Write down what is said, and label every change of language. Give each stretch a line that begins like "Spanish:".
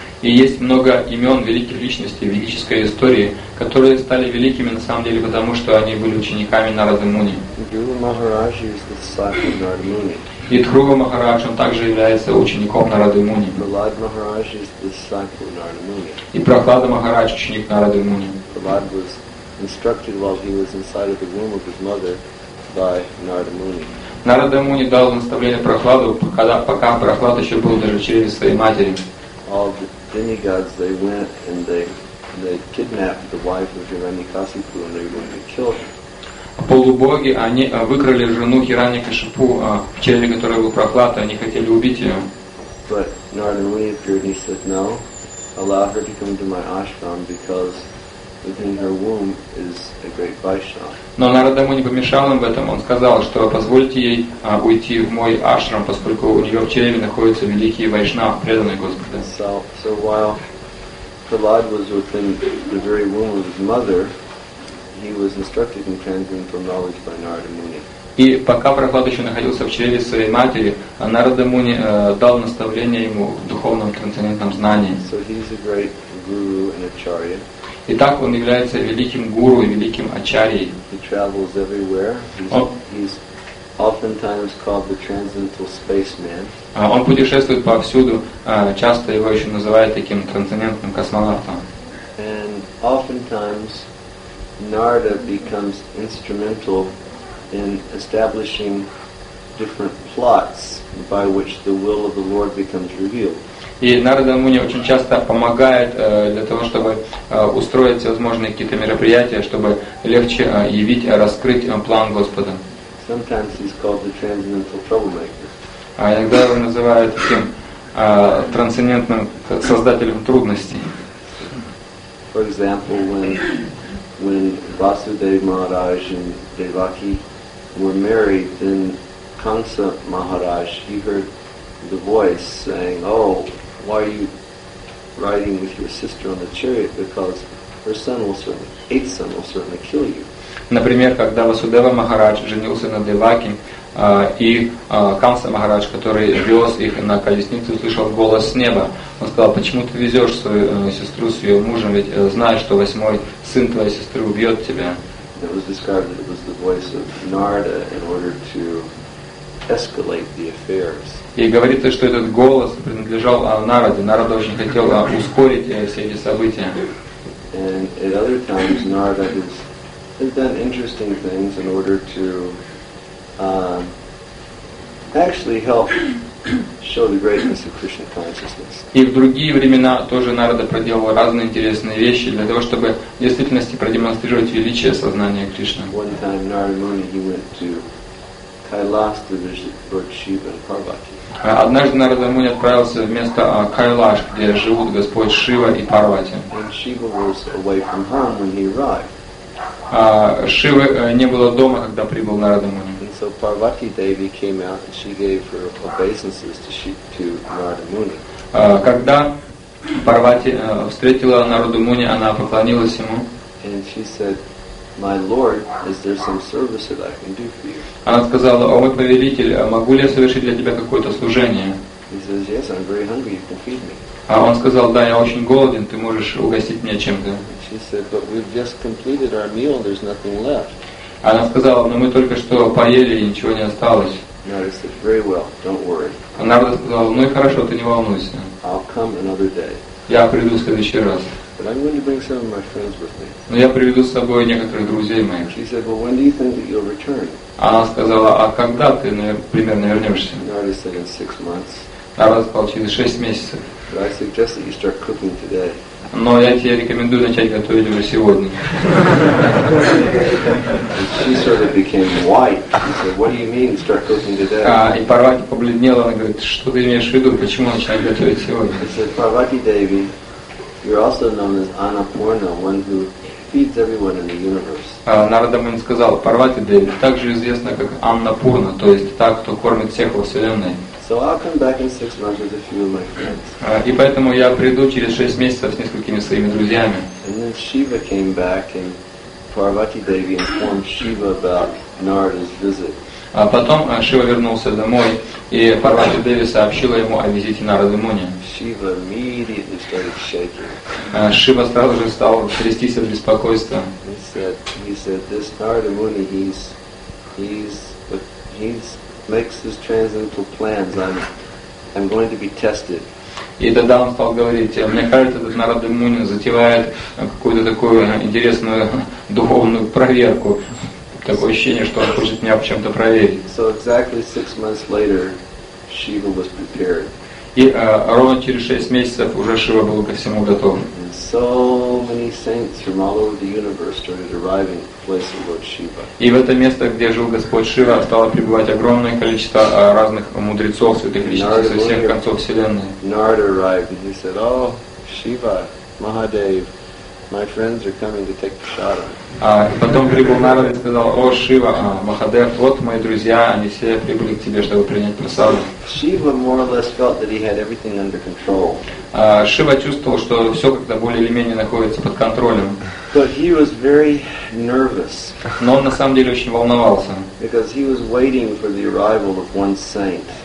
Russian: И есть много имен великих личностей в ведической истории, которые стали великими на самом деле потому, что они были учениками Нарады Муни.
English: Guru Maharaj is the disciple of Narada Muni.
Russian: И Дхрува Махарадж, он также является учеником Нарады Муни.
English: Prahlada Maharaj is the disciple of Narada Muni.
Russian: И Прохлада Махарадж ученик Нарады Муни.
English: Prahlada was instructed while he was inside of the womb of his mother by Narada Muni.
Russian: Нарада Муни дал наставление Прохладу, пока Прохлад еще был даже в чреве своей матери.
English: All the demigods, they went and they kidnapped the wife of Hiranyakasipu and they were going to kill her.
Russian: Полубоги, они выкрали жену Хираньякашипу, в чреве которой был Прохлад, и они хотели убить ее.
English: But Narada Muni appeared and he said, no, allow her to come to my ashram because within her womb is a great Vaishnava.
Russian: Но Нарада Муни помешал им в этом. Он сказал, что позвольте ей уйти в мой ашрам, поскольку у нее в чреве находится великий Вайшнав, преданный Господа.
English: So while Prahlad was within the very womb of his mother, he was instructed in transcendental knowledge by Narada Muni.
Russian: И пока Прохлад еще находился в чреве своей матери, Нарада Муни дал наставление ему в духовном трансцендентном знании.
English: So he's a great guru and acharya.
Russian: Итак, он является великим гуру и великим ачарьей.
English: He travels everywhere. He's oftentimes called the transcendental spaceman.
Russian: Он путешествует повсюду, часто его еще называют таким трансцендентным космонавтом.
English: And oftentimes Narada becomes instrumental in establishing different plots by which the will of the Lord becomes revealed.
Russian: И Нарада Муни очень часто помогает для того, чтобы устроить всевозможные какие-то мероприятия, чтобы легче явить, раскрыть план Господа.
English: Sometimes he's called the transcendental troublemaker.
Russian: А иногда его называют таким трансцендентным создателем трудностей.
English: For example, when when Vasudeva Maharaj and Devaki were married, then Kamsa Maharaj, he heard the voice saying, oh, why are you riding with your sister on the chariot? Because her son will certainly, eighth son will certainly kill you.
Russian: Например, когда Васудева Махарадж женился на Деваке, и Камса Махарадж, который вез их на колеснице, услышал голос с неба. Он сказал, почему ты везешь свою сестру с ее мужем, ведь знаешь, что восьмой сын твоей сестры убьет тебя.
English: It was described that it was the voice of Narada in order to escalate the affairs.
Russian: И говорится, что этот голос принадлежал Нараде. Нарада очень хотел ускорить все эти события.
English: And at other times, Narada has done interesting things in order to actually help show the greatness of Krishna consciousness.
Russian: И в другие времена тоже Нарада проделывал разные интересные вещи для того, чтобы в действительности продемонстрировать величие сознания Кришны.
English: One time, Narada Muni, he went to Kailas to visit Shiva and Parvati.
Russian: Однажды Нарада Муни отправился вместо Кайлаш, где живут Господь Шива и Парвати.
English: Shiva was away from home when he arrived.
Russian: Шивы не было дома, когда прибыл Нарада Муни.
English: And so Parvati Devi came out and she gave her obeisances to Narada Muni.
Russian: Когда Парвати встретила Нараду Муни, она поклонилась ему.
English: And she said, My Lord, is there some service that I can do for you?
Russian: Она сказала, о мой повелитель, могу ли я совершить для тебя какое-то служение?
English: He says, yes, I'm very hungry, you can feed me.
Russian: А он сказал, да, я очень голоден, ты можешь угостить меня чем-то.
English: She said, but we've just completed our meal, there's nothing left.
Russian: Она сказала, но мы только что поели и ничего не осталось.
English: No, he said, very well, don't worry.
Russian: Она сказала, ну и хорошо, ты не волнуйся.
English: I'll come another day.
Russian: Я приду в следующий раз.
English: But I'm going to bring some of my friends with me.
Russian: Но я приведу с собой некоторых друзей моих.
English: She said, well, when do you think that you'll return?
Russian: Она сказала, а когда ты примерно вернешься?
English: Narada said, in 6 months.
Russian: Narada сказал, через 6 месяцев.
English: But I suggest that you start cooking today.
Russian: Но я тебе рекомендую начать готовить уже сегодня.
English: She sort of became white. She said, what do you mean, start cooking today?
Russian: И Парвати побледнела, она говорит, что ты имеешь в виду, почему начать готовить сегодня?
English: She said, Parvati Devi, you're also known as Annapurna, one who feeds everyone in the universe.
Russian: Нарада Муни сказал, Парвати Деви также известна как Аннапурна, то есть та, кто кормит всех во Вселенной.
English: So I'll come back in 6 months with a few of my friends.
Russian: И поэтому я приду через 6 месяцев с несколькими своими друзьями.
English: And then Shiva came back and Parvati Devi informed Shiva about Narada's visit.
Russian: А потом Шива вернулся домой, и Парвати Деви сообщила ему о визите Нарады Муни.
English: Shiva immediately started shaking.
Russian: Шива сразу же стал трястись от беспокойства.
English: He said, this Narada Muni, he's makes his transcendental plans. I'm going to be tested.
Russian: И тогда он стал говорить, мне кажется, этот Нарада Муни затевает какую-то такую интересную духовную проверку. Такое ощущение, что он хочет меня в чем-то проверить.
English: So exactly 6 months later, Shiva was prepared.
Russian: И ровно через 6 месяцев уже Шива был ко всему готов.
English: And so many saints from all over the universe started arriving at the place of Lord Shiva.
Russian: И в это место, где жил Господь Шива, стало прибывать огромное количество разных мудрецов, святых личностей со всех концов вселенной.
English: Narada arrived and he said, "Oh, Shiva, Mahadev." My friends are coming to take prasadam.
Russian: Потом прибыл Нарада и сказал, о, Шива, Махадев, вот мои друзья, они все прибыли к тебе, чтобы принять прасадам.
English: Shiva more or less felt that he had everything under control.
Russian: Шива чувствовал, что все как-то более или менее находится под контролем.
English: But he was very nervous.
Russian: Но он на самом деле очень волновался.
English: Because he was waiting for the arrival of one saint.